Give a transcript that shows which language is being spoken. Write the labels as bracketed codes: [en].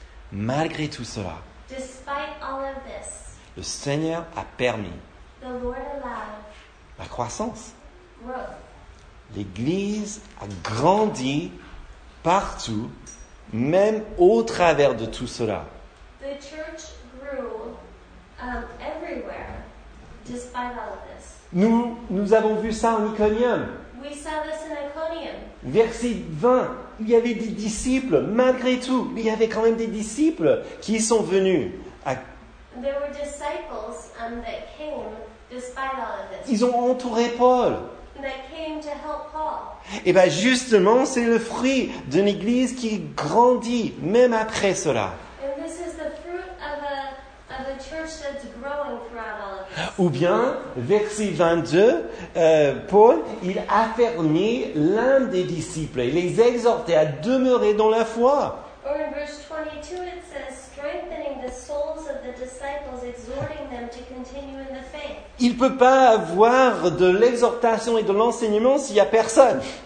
[fr] malgré tout cela, [en] despite all of this, [fr] le Seigneur a permis [en] the Lord allowed [fr] la croissance. [en] Growth. [fr] L'Église a grandi partout, même au travers de tout cela. [en] The church grew everywhere, despite all of this. [fr] Nous avons vu ça en Iconium. [en] We saw this in Iconium. [fr] Verset 20, il y avait des disciples, malgré tout, il y avait quand même des disciples qui sont venus. [en] There were disciples that came despite all of this. [fr] Ils ont entouré Paul. [en] That came to help Paul. [fr] Et bien justement, c'est le fruit d'une église qui grandit même après cela. [en] And this is the fruit of a church that's growing throughout all of this. [fr] Ou bien, verset 22, Paul, il affermit l'un des disciples et les exhortait à demeurer dans la foi. [en] Or in verse 22, it says, strengthening the souls of the disciples, exhorting them to continue in the faith. [fr] Il ne peut pas avoir de l'exhortation et de l'enseignement s'il n'y a personne.